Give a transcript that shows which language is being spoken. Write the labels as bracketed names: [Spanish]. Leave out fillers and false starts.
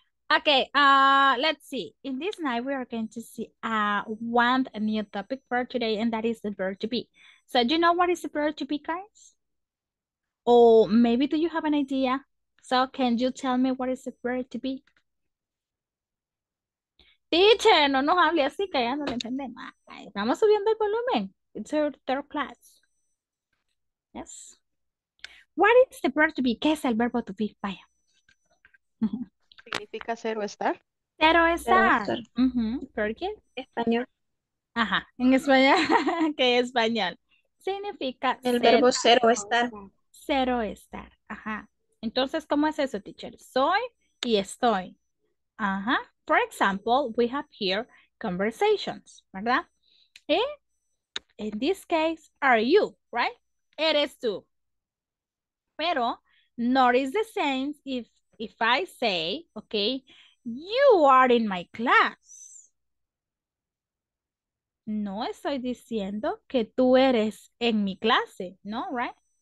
[English] Okay, let's see. In this night, we are going to see one new topic for today, and that is the verb to be. So do you know what is the verb to be, guys? Or maybe do you have an idea? So can you tell me what is the verb to be? [Spanish] Teacher, no nos hable así, que ya no lo entendemos. Estamos subiendo el volumen. [English] It's our third class. [Spanish] Yes. [English] What is the verb to be? [Spanish] ¿Qué es el verbo to be? Vaya. ¿Significa ser o estar? Cero estar. ¿Por qué? Español. Ajá. ¿En español? ¿Qué es español? Significa ser. El verbo ser o estar. Ser o estar. Ajá. Entonces, ¿cómo es eso, teacher? Soy y estoy. [English] Ajá. For example, we have here conversations, ¿verdad? ¿Eh? In this case, are you, right? [Spanish] Eres tú. [English] Pero, not is the same if I say, okay, you are in my class. [Spanish] No estoy diciendo que tú eres en mi clase, no, right?